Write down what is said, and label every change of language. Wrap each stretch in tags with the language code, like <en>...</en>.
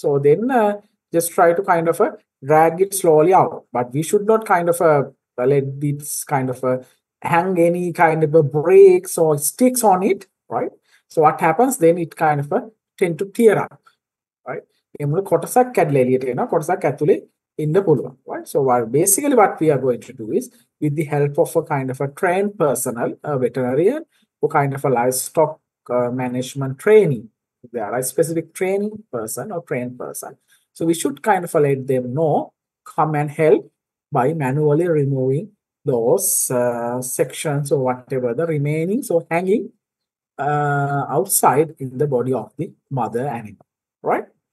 <en>So then just try to kind of a drag it slowly out. But we should not kind of let this kind of a hang any kind of a breaks or sticks on it, right? So what happens then, it kind of a tend to tear up, right?</en> <si>එමුල කොටසක් ඇදලා එළියට එනවා කොටසක් ඇතුලේ ඉන්න පුළුවන් right?</si> <en>So basically what we are going to do is with the help of a kind of a trained personnel, a veterinarian or kind of a livestock management trainee, there are a specific training person or trained person, so we should kind of let them know, come and help by manually removing those sections or whatever the remaining so hanging outside in the body of the mother animal, right?</en>